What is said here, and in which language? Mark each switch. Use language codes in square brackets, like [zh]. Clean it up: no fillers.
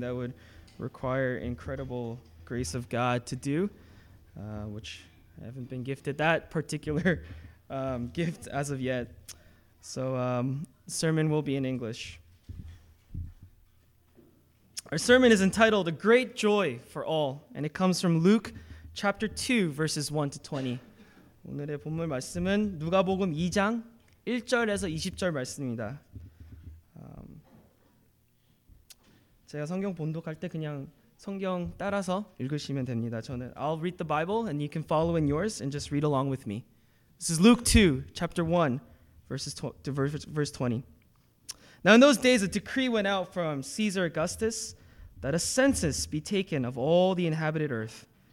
[en] That would require incredible grace of God to do, which I haven't been gifted that particular gift as of yet. So sermon will be in English. Our sermon is entitled A Great Joy for All, and it comes from Luke chapter 2, verses 1 to 20. [ko] 오늘의 본문 말씀은 누가복음 2장 1절에서 20절 말씀입니다. 제가 성경 본독할 때 그냥 성경 따라서 읽으시면 됩니다. 저는 [en] I'll read the Bible and you can follow in yours and just read along with me. This is Luke 2, chapter 1, verse 20. Now in those days a decree went out from Caesar Augustus that a census be taken of all the inhabited earth.